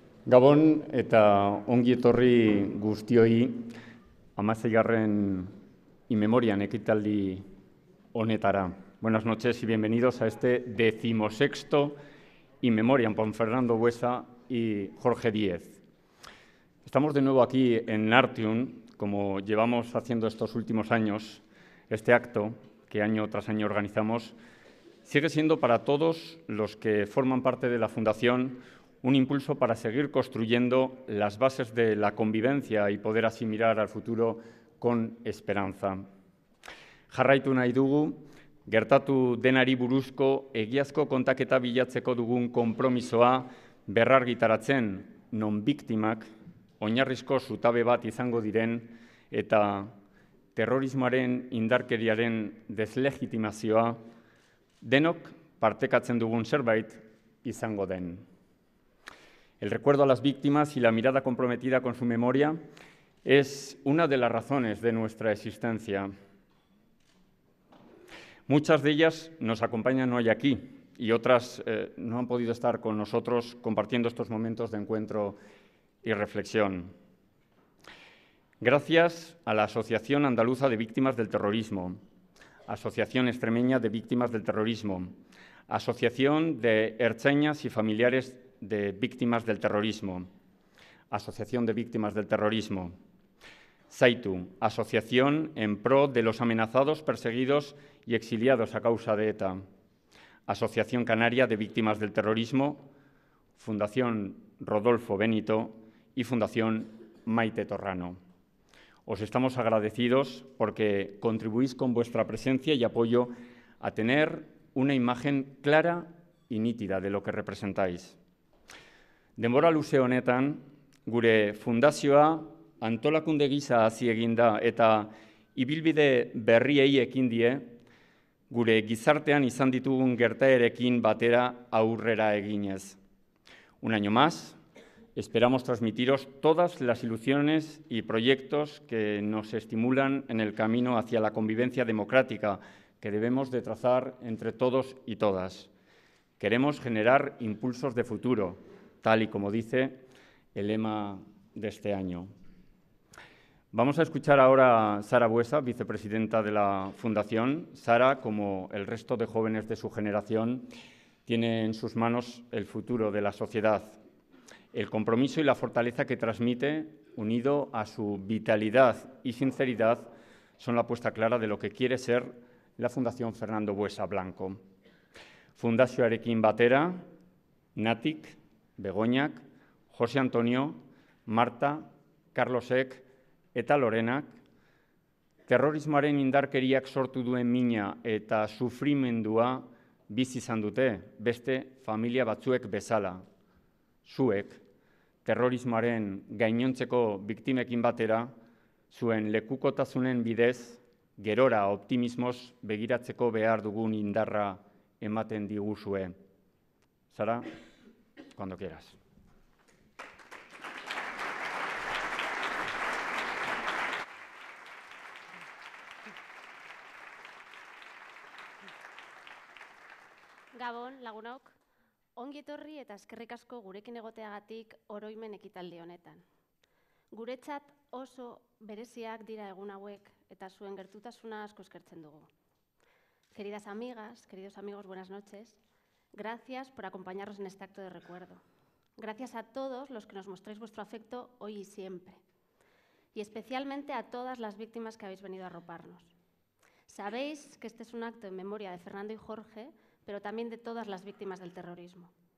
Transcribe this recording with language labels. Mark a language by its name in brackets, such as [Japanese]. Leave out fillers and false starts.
[Basque] Gabon eta ongi etorri guztioi 16. In Memoriam ekitaldi honetara. [Spanish] Buenas noches y bienvenidos a este 16º In Memoriam por Fernando Buesa y Jorge Díez. Estamos de nuevo aquí en Artium, como llevamos haciendo estos últimos años. Este acto que año tras año organizamos sigue siendo para todos los que forman parte de la Fundación un impulso para seguir construyendo las bases de la convivencia y poder así mirar al futuro con esperanza. [Basque] Jarraitu nahi dugu, gertatu denari buruzko egiazko kontaketa bilatzeko dugun konpromisoa berrargitaratzen, non biktimak oinarrizko zutabe bat izango diren eta terrorismoaren indarkeriaren deslegitimazioa denok partekatzen dugun zerbait izango den. [Spanish] El recuerdo a las víctimas y la mirada comprometida con su memoria es una de las razones de nuestra existencia. Muchas de ellas nos acompañan hoy aquí y otras no han podido estar con nosotros compartiendo estos momentos de encuentro y reflexión. Gracias a la Asociación Andaluza de Víctimas del Terrorismo, Asociación Extremeña de Víctimas del Terrorismo, Asociación de Ertzainas y Familiares de Víctimas del Terrorismo, Asociación de Víctimas del Terrorismo, SAITU, Asociación en Pro de los Amenazados, Perseguidos y Exiliados a Causa de ETA, Asociación Canaria de Víctimas del Terrorismo, Fundación Rodolfo Benito y Fundación Maite Torrano. Os estamos agradecidos porque contribuís con vuestra presencia y apoyo a tener una imagen clara y nítida de lo que representáis. [Basque] Denbora luze honetan, gure fundazioa antolakunde gisa hasi egin da eta ibilbide berriei ekin die, gure gizartean izan ditugun gertaerekin batera aurrera eginez. [Spanish] Un año más, esperamos transmitiros todas las ilusiones y proyectos que nos estimulan en el camino hacia la convivencia democrática que debemos de trazar entre todos y todas. Queremos generar impulsos de futuro, tal y como dice el lema de este año. Vamos a escuchar ahora a Sara Buesa, vicepresidenta de la Fundación. Sara, como el resto de jóvenes de su generación, tiene en sus manos el futuro de la sociedad. El compromiso y la fortaleza que transmite, unido a su vitalidad y sinceridad, son la apuesta clara de lo que quiere ser la Fundación Fernando Buesa Blanco. [Basque] Fundazioarekin batera, Natik, Begoñak, José Antonio, Marta, Carlosek eta Lorenak, terrorismoaren indarkeriak sortu duen mina eta sufrimendua bizi izan dute beste familia batzuek bezala. Zuek, terrorismoaren gainontzeko biktimekin batera, zuen lekukotasunen bidez, gerora optimismoz begiratzeko behar dugun indarra ematen diguzue. [Spanish] Sara, cuando quieras. [Basque] Gabon, lagunok, ongi etorri eta eskerrik asko gurekin egoteagatik oroimen ekitaldi honetan. Guretzat oso bereziak dira egun hauek eta zuen gertutasuna asko eskertzen dugu. [Spanish] Queridas amigas, queridos amigos, buenas noches. Gracias por acompañarnos en este acto de recuerdo. Gracias a todos los que nos mostráis vuestro afecto hoy y siempre. Y especialmente a todas las víctimas que habéis venido a arroparnos. Sabéis que este es un acto en memoria de Fernando y Jorge, pero también de todas las víctimas del terrorismo.